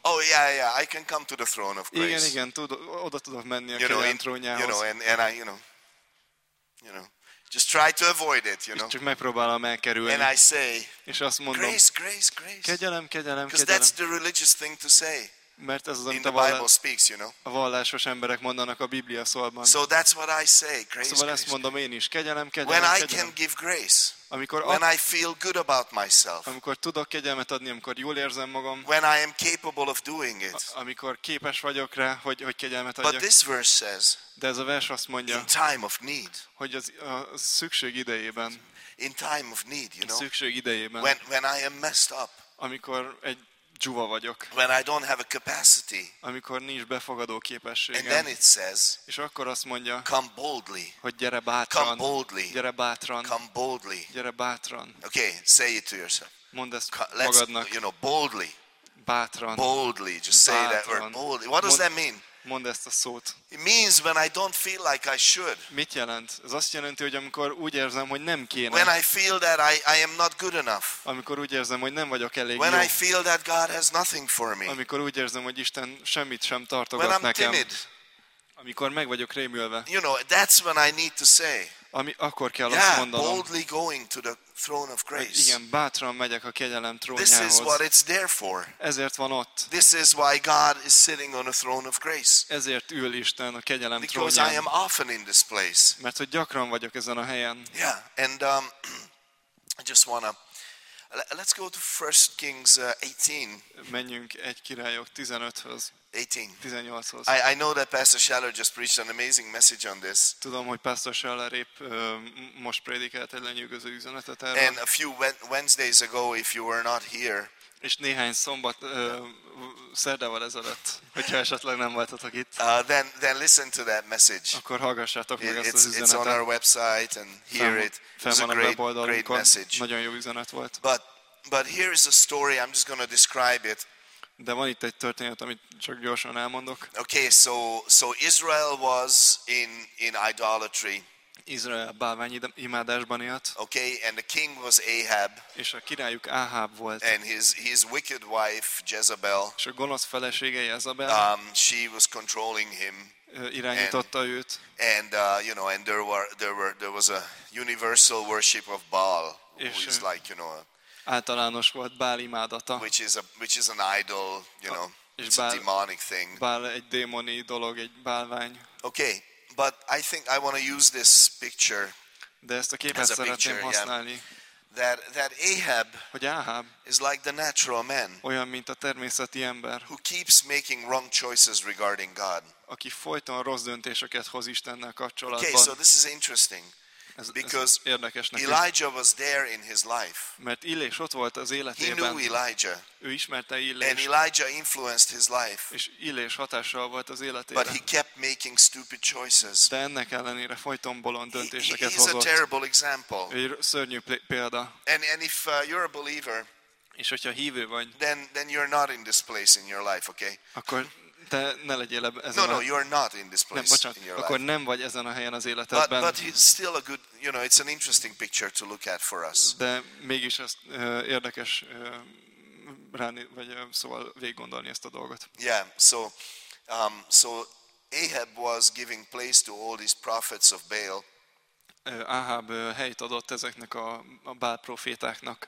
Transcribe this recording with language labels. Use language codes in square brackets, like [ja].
[en] Oh yeah, I can come to the throne of grace. [hu] Igen, oda tudok menni a kegyelem trónjához. [en] You know, and I, you know, just try to avoid it, you know. [hu] Csak megpróbálom elkerülni. [en] And I say. [hu] És azt mondom. [en] Grace. [hu] Kegyelem. [en] Because that's the religious thing to say. [hu] Mert ez az, amit a vallásos emberek mondanak a Biblia szóban. [en] So that's what I say, grace. [hu] Szóval [en] grace, [hu] ezt mondom én is, kegyelem. [en] When I can give grace. [hu] Amikor [en] I feel good about myself. [hu] Amikor tudok kegyelmet adni, amikor jól érzem magam. [en] When I am capable of doing it. [hu] Amikor képes vagyok rá, hogy kegyelmet adjak. [en] But this verse says. [hu] De ez a vers azt mondja. [en] In time of need. [hu] Hogy a szükség idejében. [en] In time of need, you know. [hu] Szükség idejében. [en] When I am messed up. [hu] Amikor egy dzsuva vagyok. [en] When I don't have a capacity. [hu] Amikor nincs befogadó képességem. [en] And then it says. [hu] És akkor azt mondja. [en] Come boldly. [hu] Hogy gyere bátran. [en] Come boldly. [hu] Gyere bátran. [en] Come boldly. [hu] Gyere bátran. [en] Okay, say it to yourself. [hu] Mondd ezt magadnak. [en] You know, boldly. [hu] Bátran. [en] Boldly, just say [hu] bátran. [en] That word boldly. What does that mean? [hu] Mondd ezt a szót. [en] It means when I don't feel like I should. [hu] Mit jelent? Ez azt jelenti, hogy amikor úgy érzem, hogy nem kéne. [en] When I feel that I am not good enough. [hu] Amikor úgy érzem, hogy nem vagyok elég [en] when [hu] jó. [en] When I feel that God has nothing for me. [hu] Amikor úgy érzem, hogy Isten semmit sem tartogat [en] when I'm [hu] nekem. [en] Timid. [hu] Amikor meg vagyok rémülve. [en] You know, that's when I need to say. [hu] Ami akkor kell [en] yeah, [hu] azt mondanom. [en] Boldly going to the throne of grace. [hu] Igen, bátran megyek a kegyelem trónjához. [en] This is what it's there for. [hu] Ezért van ott. [en] This is why God is sitting on a throne of grace. [hu] Ezért ül Isten a kegyelem [en] because [hu] trónján. [en] Because I am often in this place. [hu] Mert hogy gyakran vagyok ezen a helyen. [en] Yeah, and I just wanna let's go to 1 Kings 18. [hu] Menjünk 1 Királyok 15-höz. 18. [en] I know that Pastor Scheller just preached an amazing message on this. [hu] Tudom, hogy Pastor Scheller épp most prédikált egy lenyűgöző üzenetet erről. [en] And a few Wednesdays ago, if you were not here. [hu] És néhány szombat szerdával ezelőtt, hogyha esetleg nem voltatok itt. [en] Then listen to that message. [hu] Akkor hallgassátok meg ezt az üzenetet. [en] It's on our website and hear it. [hu] Fenn van a weboldalunkon. Nagyon jó üzenet volt. [en] But here is a story. I'm just going to describe it. [hu] De van itt egy történet, amit csak gyorsan elmondok. [en] Okay, so Israel was in idolatry. [hu] Izrael bálványimádásban élt. [en] Okay, and the king was Ahab. [hu] És a királyuk Ahab volt. [en] And his wicked wife Jezebel. [hu] És a gonosz felesége Jezebel. [en] She was controlling him. [hu] Irányította őt. [en] And you know, and there was a universal worship of Baal, who is like, you know, [hu] általános volt Bál imádata. [en] Which is an idol, you know, it's a demonic thing. [hu] Bál egy démoni dolog, egy bálvány. [en] Okay, but I think I want to use this picture. [hu] De ezt a képet szeretném használni. [en] That Ahab, [hu] hogy Ahab [en] is like the natural man. [hu] Olyan, mint a természeti ember. [en] Who keeps making wrong choices regarding God. [hu] Aki folyton rossz döntéseket hoz Istennel kapcsolatban. [en] Okay, so this is interesting. Because Elijah was there in his life. [hu] Mert Illés ott volt az életében. [en] He knew Elijah. [hu] Ő ismerte Illést. [en] And Elijah influenced his life. [hu] És Illés hatással volt az életében. [en] But he kept making stupid choices. [hu] De ennek ellenére folyton bolond döntéseket hozott. [en] He's a terrible example. [hu] Egy szörnyű példa. [en] And if you're a believer, [hu] és hogyha hívő vagy, [en] then you're not in this place in your life, okay? [hu] Akkor te ne legyél ezen [en] no, you're not in this place. [hu] Nem, bocsánat, [en] in your [hu] akkor [en] life. [hu] Nem vagy ezen a helyen az életedben. [en] But it's still a good, you know, it's an interesting picture to look at for us. [hu] De mégis ezt érdekes ráni vagy szóval végig gondolni ezt a dolgot. [en] Yeah, so Ahab was giving place to all these prophets of Baal. [hu] Ahab helyt adott ezeknek a Bál profétáknak.